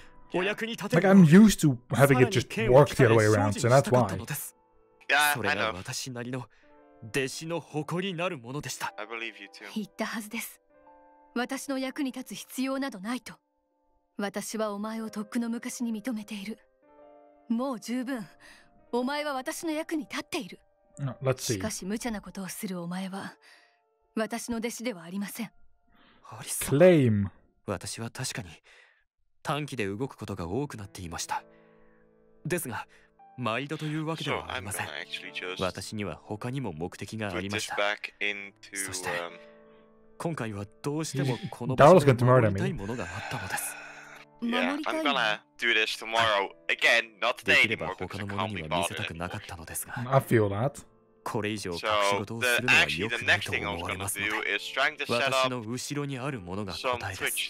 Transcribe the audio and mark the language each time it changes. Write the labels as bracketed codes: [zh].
[en] Like I'm used to having it just work the other way around, so that's why. Yeah, I know. [ja] 弟子の誇りなるものでした。 [en] I believe you too. [ja] 言ったはずです。私の役に立つ必要などないと。私はお前をとっくの昔に認めている。もう十分。お前は私の役に立っている。 [en] Let's see. [ja] しかし無茶なことをするお前は私の弟子ではありません。アリ [en] ス。Claim. [ja] 私は確かに短期で動くことが多くなっていました。ですが。毎度というわけではありません。私には他にも目的がありました。そして今回はどうしてもこの場所で守りたいものがあったのです。 [en] I'm gonna do this tomorrow again, not today. [ja] できれば他のものには見せたくなかったのですが。 [en] I feel that. [ja] これ以上隠し事をするのは良くないと思われますので私の後ろにあるものが答えです